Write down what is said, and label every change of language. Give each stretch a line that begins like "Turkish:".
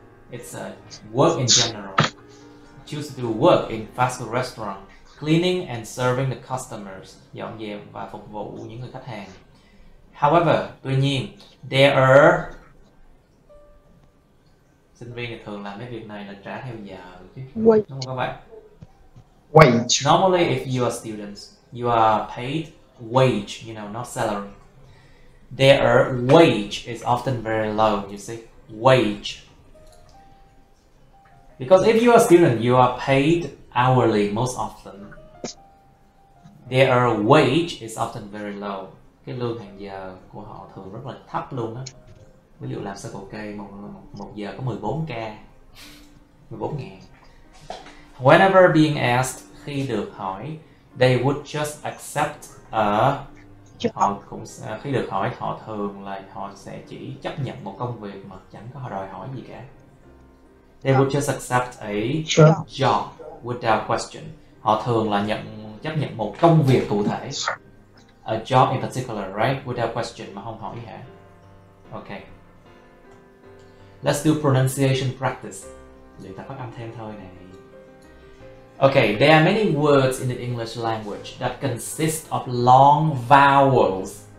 English: It's a work in general. Choose to do work in fast food restaurant, cleaning and serving the customers,
Vietnamese: dọn dẹp và phục vụ những người khách hàng.
English: However,
Vietnamese: tuy nhiên,
English: there are.
Vietnamese: Sinh viên thường làm mấy việc này là trả theo giờ chứ.
English: Wait.
Vietnamese: Đúng không các bạn?
English: Wage. Normally, if you are students, you are paid wage, you know, not salary. Their wage is often very low, you see, wage. Because if you are a student, you are paid hourly most often. Their wage is often very low.
Vietnamese: Cái lương hàng giờ của họ thường rất là thấp luôn á. Ví dụ làm circle K, một giờ có 14k, 14 ngàn.
English: Whenever being asked,
Vietnamese: khi được hỏi,
English: they would just accept a.
Vietnamese: Họ cũng khi được hỏi, họ thường là họ sẽ chỉ chấp nhận một công việc mà chẳng có đòi hỏi gì cả.
English: They would just accept a job without question.
Vietnamese: Họ thường là chấp nhận một công việc cụ thể.
English: A job in particular, right? Without question,
Vietnamese: mà không hỏi gì hả?
English: Okay. Let's do pronunciation practice.
Vietnamese: Luyện tập phát âm thêm thôi này.
English: Okay, there are many words in the English language that consist of long vowels.